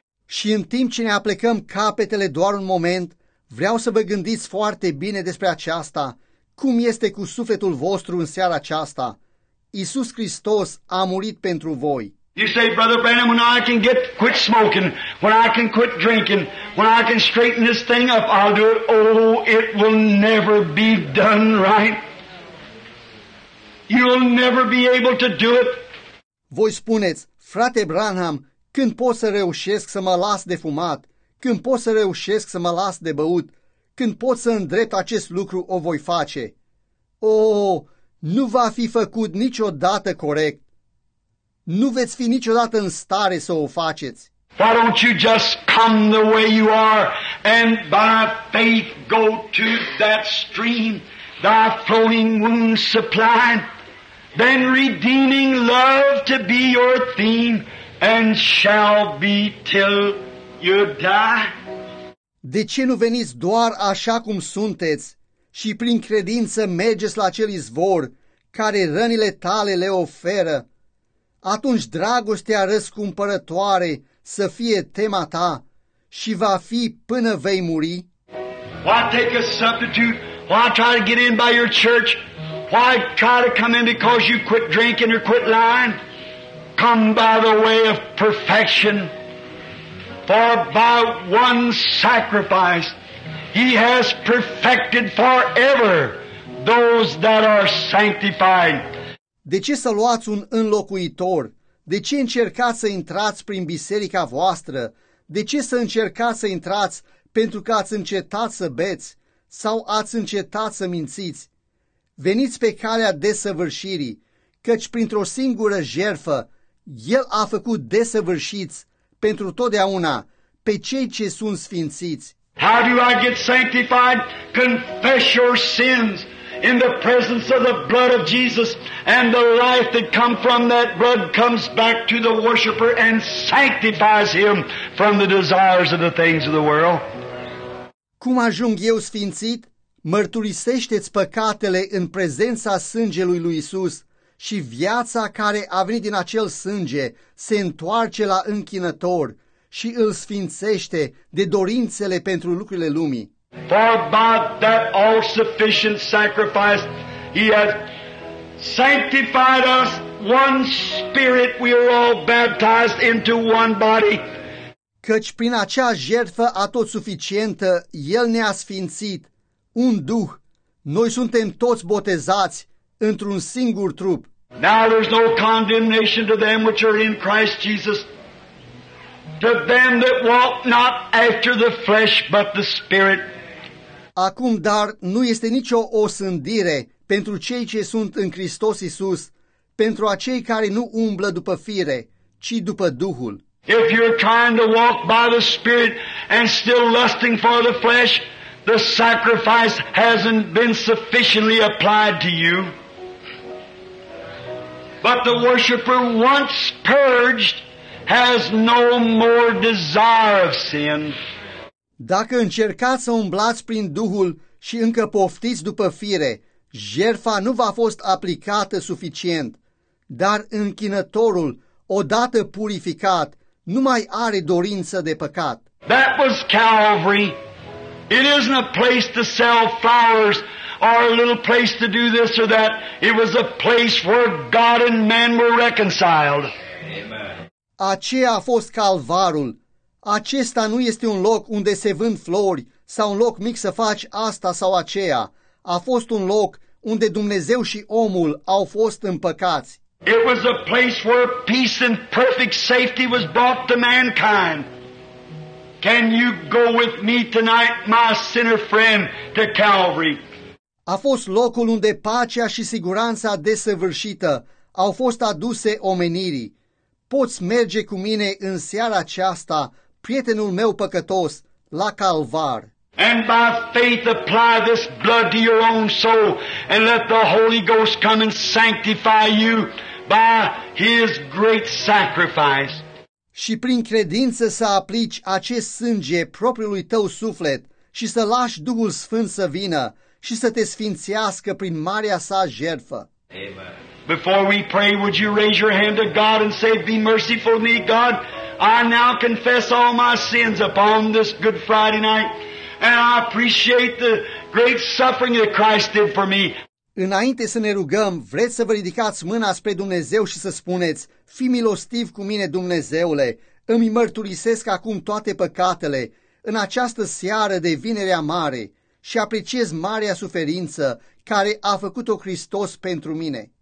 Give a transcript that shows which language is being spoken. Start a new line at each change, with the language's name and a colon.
Romanian: Și în timp ce ne aplecăm capetele doar un moment, vreau să vă gândiți foarte bine despre aceasta. Cum este cu sufletul vostru în seara aceasta? Iisus Hristos a murit pentru voi.
English: You say, Brother Branham, when I can get quit smoking, when I can quit drinking, when I can straighten this thing up, I'll do it. Oh, it will never be done right. You'll never be able to do it.
Romanian: Voi spuneți, frate Branham, când pot să reușesc să mă las de fumat, când pot să reușesc să mă las de băut, când pot să îndrept acest lucru, o voi face. Oh, nu va fi făcut niciodată corect. Nu veți fi niciodată în stare să o faceți.
English: Why don't you just come the way you are and by faith go to that stream, thy flowing wounds supplied, then redeeming love to be your theme and shall be till you die?
Romanian: De ce nu veniți doar așa cum sunteți și prin credință mergeți la acel izvor care rănile tale le oferă? Atunci dragostea răscumpărătoare să fie tema ta și va fi până vei muri.
English: Why take a substitute? Why try to get in by your church? Why try to come in because you quit drinking or quit lying? Come by the way of perfection. For by one sacrifice he has perfected forever those that are sanctified.
Romanian: De ce să luați un înlocuitor? De ce încercați să intrați prin biserica voastră? De ce să încercați să intrați pentru că ați încetat să beți sau ați încetat să mințiți? Veniți pe calea desăvârșirii, căci printr-o singură jertfă El a făcut desăvârșiți pentru totdeauna pe cei ce sunt sfințiți.
English: How do I get sanctified? Confess your sins in the presence of the blood of Jesus, and the life that comes from that blood comes back to the worshiper and sanctifies him from the desires of the things of the world.
Romanian: Cum ajung eu sfințit? Mărturisește-ți păcatele în prezența sângelui lui Iisus și viața care a venit din acel sânge se întoarce la închinător și îl sfințește de dorințele pentru lucrurile lumii.
English: For by that all-sufficient sacrifice he has sanctified us, one spirit we are all baptized into one body.
Romanian: Căci prin acea jertfă atotsuficientă El ne-a sfințit, un duh, noi suntem toți botezați într-un singur trup.
English: Now there's no condemnation to them which are in Christ Jesus. To them that walk not after the flesh but the Spirit.
Romanian: Acum, dar, nu este nicio osândire pentru cei ce sunt în Hristos Iisus, pentru acei care nu umblă după fire, ci după Duhul.
English: If you're trying to walk by the Spirit and still lusting for the flesh, the sacrifice hasn't been sufficiently applied to you. But the worshiper, once purged, has no more desire of sin.
Romanian: Dacă încercați să umblați prin Duhul și încă poftiți după fire, jertfa nu v-a fost aplicată suficient, dar închinătorul, odată purificat, nu mai are dorință de păcat.
English: That was Calvary. It isn't a place to sell flowers or a little place to do this or that. It was a place where God and man were reconciled.
Romanian: Aceea a fost Calvarul. Acesta nu este un loc unde se vând flori sau un loc mic să faci asta sau aceea. A fost un loc unde Dumnezeu și omul au fost împăcați.
English: It was a place where peace and perfect safety was brought to mankind. Can you go with me tonight, my sinner friend, to Calvary?
Romanian: A fost locul unde pacea și siguranța desăvârșită au fost aduse omenirii. Poți merge cu mine în seara aceasta, prietenul meu păcătos, la Calvar.
English: And by faith apply this blood to your own soul and let the Holy Ghost come and sanctify you by His great sacrifice.
Romanian: Și prin credință să aplici acest sânge propriului tău suflet și să lași Duhul Sfânt să vină și să te sfințească prin marea sa jertfă.
English: Amen. Before we pray, would you raise your hand to God and say, be merciful to me, God. I now confess all my sins upon this Good Friday night, and I appreciate the great suffering that Christ did for me.
Romanian: Înainte să ne rugăm, vreți să vă ridicați mâna spre Dumnezeu și să spuneți, fii milostiv cu mine, Dumnezeule, îmi mărturisesc acum toate păcatele, în această seară de Vinerea Mare, și apreciez marea suferință care a făcut-o Hristos pentru mine.